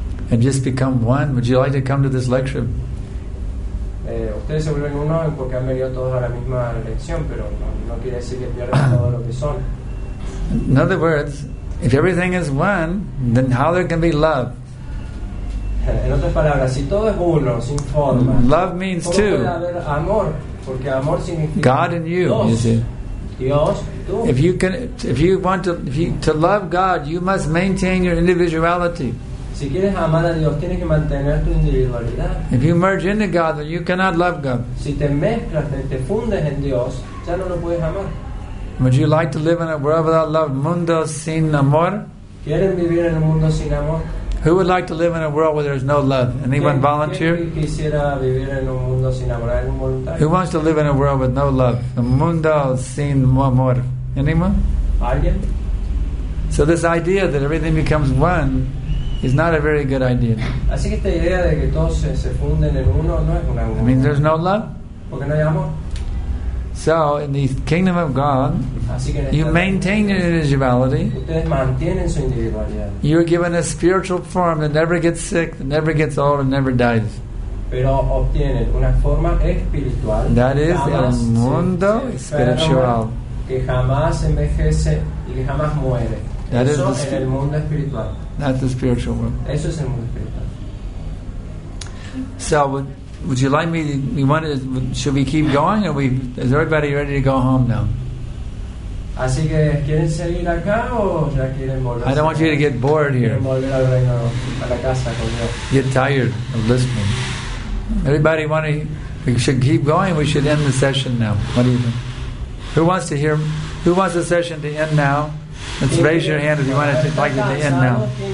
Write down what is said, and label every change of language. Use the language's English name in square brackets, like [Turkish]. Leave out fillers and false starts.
[English] And just become one. Would you like to come to this lecture? [Spanish] Ustedes se vuelven uno porque han venido todos a la misma lección, pero no quiere decir que pierdan todo lo que son. [English] In other words, if everything is one, then how there can be love? [Spanish] En otras palabras, si todo es uno, sin forma. [English] Love means two. [Spanish] ¿Cómo puede haber amor? Porque amor significa [English] God and you, [Spanish] Dios. [English] You see. [Spanish] Dios, [English] if you can, if you want to, if you, to love God, you must maintain your individuality. [Spanish] Si quieres amar a Dios, tienes que mantener tu individualidad. [English] If you merge into God, then you cannot love God. [Spanish] Si te mezclas, te fundes en Dios, ya no lo puedes amar. [English] Would you like to live in a world without love, [Spanish] mundo sin amor? ¿Quieren vivir en un mundo sin amor? [English] Who would like to live in a world where there is no love? Anyone [Spanish] ¿Quién [English] volunteer? [Spanish] Quisiera vivir en un mundo sin amor? ¿Algún voluntario? [English] Who wants to live in a world with no love? [Spanish] A mundo sin amor. [English] Anyone? [Spanish] ¿Alguien? [English] So this idea that everything becomes one is not a very good idea. [Spanish] Así que esta idea de que todos se funden en uno no es una buena. [English] It means there's no love. [Spanish] Porque no hay amor. [English] So in the kingdom of God, you maintain your individuality. [Spanish] Ustedes mantienen su individualidad. [English] You are given a spiritual form that never gets sick, that never gets old, and never dies. [Spanish] Pero obtienen una forma espiritual. [English] That is [Spanish] el mundo espiritual. Que jamás envejece y que jamás muere. [English] That [Spanish] eso [English] is the [Spanish] el mundo espiritual. [English] That's the spiritual world. [Spanish] Eso es el mundo espiritual. [English] So would you like me? We wanted. Should we keep going? Or we? Is everybody ready to go home now? Así que quieren seguir acá o ya quieren volver. I don't want you to get bored here. Volver al reino, a la casa con Dios. Get tired of listening. Everybody want to? We should keep going. We should end the session now. What do you think? Who wants to hear? Who wants the session to end now? Let's raise your hand if you want it to like it to end now.